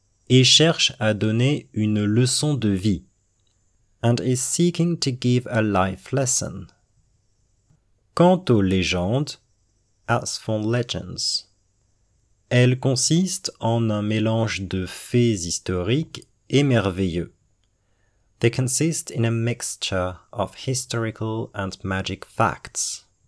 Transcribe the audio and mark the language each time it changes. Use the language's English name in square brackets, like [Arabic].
[French] Et cherche à donner une leçon de vie. [English] And is seeking to give a life lesson. [French] Quant aux légendes, [English] as for legends, [French] elles consistent en un mélange de faits historiques et merveilleux. [English] They consist in a mixture of historical and magic facts.